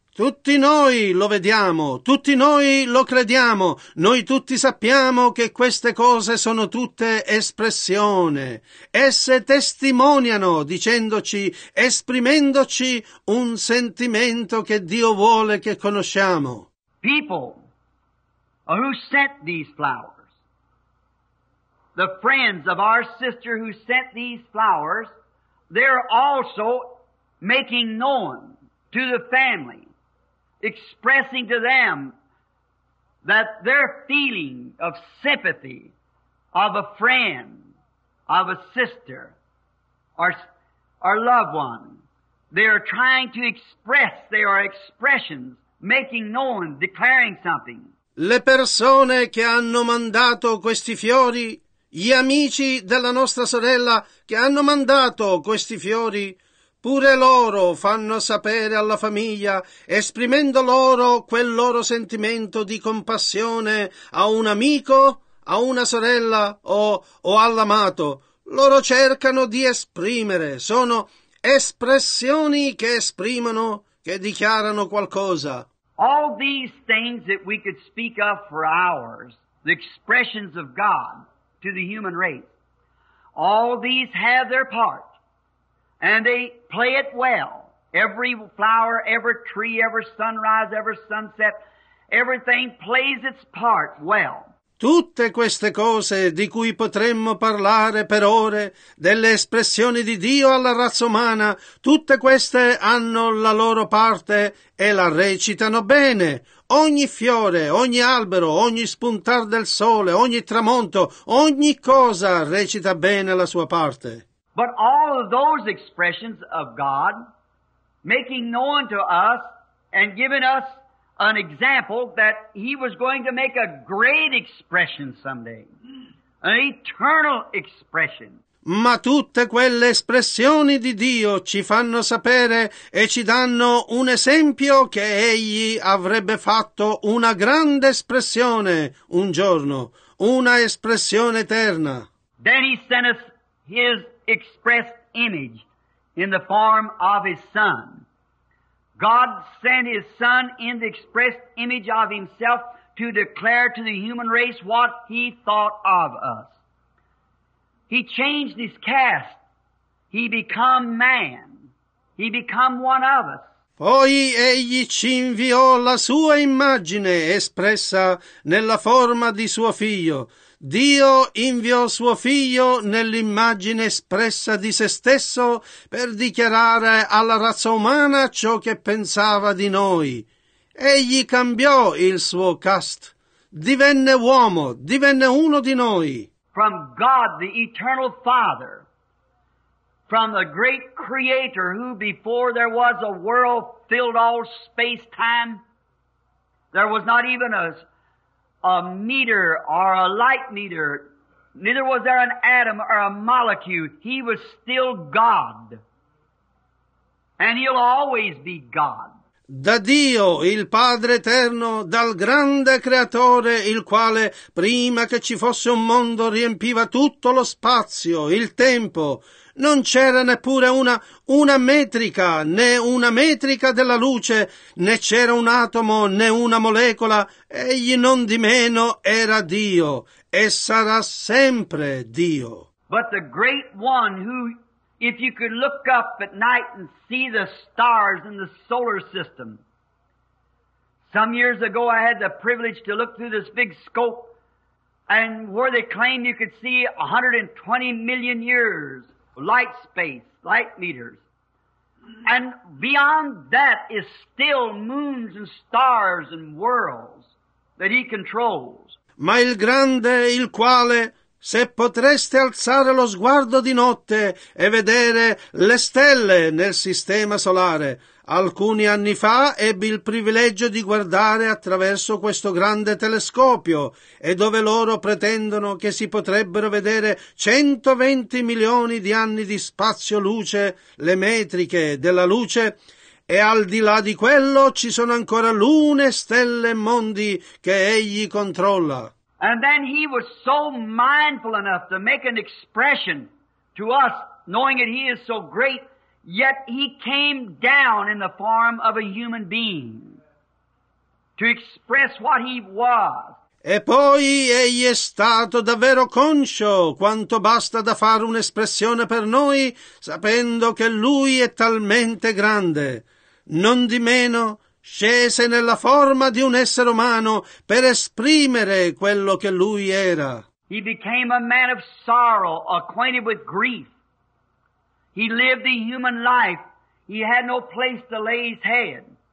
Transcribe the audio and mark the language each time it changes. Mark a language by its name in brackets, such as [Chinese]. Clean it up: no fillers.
[Italian] Tutti noi lo vediamo, tutti noi lo crediamo, noi tutti sappiamo che queste cose sono tutte espressione. Esse testimoniano dicendoci, esprimendoci un sentimento che Dio vuole che conosciamo. [English] People who sent these flowers, the friends of our sister who sent these flowers, they're also making known to the family, expressing to them that their feeling of sympathy of a friend, of a sister, or loved one. They are trying to express, they are expressions, making known, declaring something. [Italian] Le persone che hanno mandato questi fiori, gli amici della nostra sorella che hanno mandato questi fiori, pure loro fanno sapere alla famiglia, esprimendo loro quel loro sentimento di compassione a un amico, a una sorella o all'amato. Loro cercano di esprimere, sono espressioni che esprimono, che dichiarano qualcosa. [English] All these things that we could speak of for hours, the expressions of God to the human race, all these have their part. And they play it well. Every flower, every tree, every sunrise, every sunset, everything plays its part well. [Italian] Tutte queste cose di cui potremmo parlare per ore, delle espressioni di Dio alla razza umana, tutte queste hanno la loro parte e la recitano bene. Ogni fiore, ogni albero, ogni spuntar del sole, ogni tramonto, ogni cosa recita bene la sua parte. [English] But all of those expressions of God, making known to us and giving us an example that He was going to make a great expression someday, an eternal expression. [Italian] Ma tutte quelle espressioni di Dio ci fanno sapere e ci danno un esempio che Egli avrebbe fatto una grande espressione un giorno, una espressione eterna. [English] Then He sent us His expressed image in the form of His Son. God sent His Son in the expressed image of Himself to declare to the human race what He thought of us. He changed His cast. He became man. He became one of us. [Italian] Poi Egli ci inviò la sua immagine espressa nella forma di suo figlio. Dio inviò suo figlio nell'immagine espressa di se stesso per dichiarare alla razza umana ciò che pensava di noi. Egli cambiò il suo cast, divenne uomo, divenne uno di noi. [English] From God, the eternal Father, from the great Creator who before there was a world filled all space-time, there was not even a meter or a light meter, neither was there an atom or a molecule. He was still God. And He'll always be God. [Italian] Da Dio, il Padre Eterno, dal grande Creatore, il quale, prima che ci fosse un mondo, riempiva tutto lo spazio, il tempo. Non c'era neppure una metrica, né una metrica della luce, né c'era un atomo, né una molecola. Egli non di meno era Dio, e sarà sempre Dio. [English] But the great one who If you could look up at night and see the stars in the solar system. Some years ago I had the privilege to look through this big scope, and where they claimed you could see 120 million years light space, light meters. And beyond that is still moons and stars and worlds that he controls. [Italian] Ma il grande, il quale, se potreste alzare lo sguardo di notte e vedere le stelle nel sistema solare. Alcuni anni fa ebbi il privilegio di guardare attraverso questo grande telescopio, e dove loro pretendono che si potrebbero vedere 120 milioni di anni di spazio luce, le metriche della luce, e al di là di quello ci sono ancora lune, stelle e mondi che egli controlla. [English] And then he was so mindful enough to make an expression to us, knowing that he is so great, yet he came down in the form of a human being to express what he was. [Italian] E poi egli è stato davvero conscio quanto basta da fare un'espressione per noi, sapendo che lui è talmente grande. Non di meno scese nella forma di un essere umano per esprimere quello che lui era. [English] He became a man of sorrow, acquainted with grief. He lived the human life. He had no place to lay his head.